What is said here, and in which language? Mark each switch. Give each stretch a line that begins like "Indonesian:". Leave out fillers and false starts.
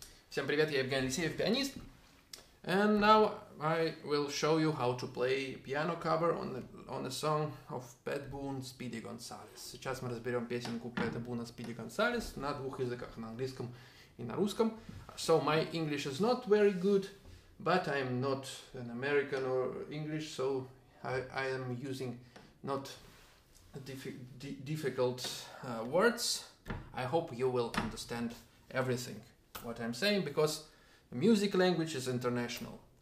Russian: Всем привет, я Евгений Алексеев, пианист.
English: And now I will show you how to play piano cover on a song of Pet Boone, Speedy Gonzales.
Russian: Сейчас мы разберем песенку Пэта Буна, Speedy Gonzales на двух языках, на английском и на русском.
English: So my English is not very good, but I'm not an American or English, so I am using not difficult words. I hope you will understand everything what I'm saying, because music language is international.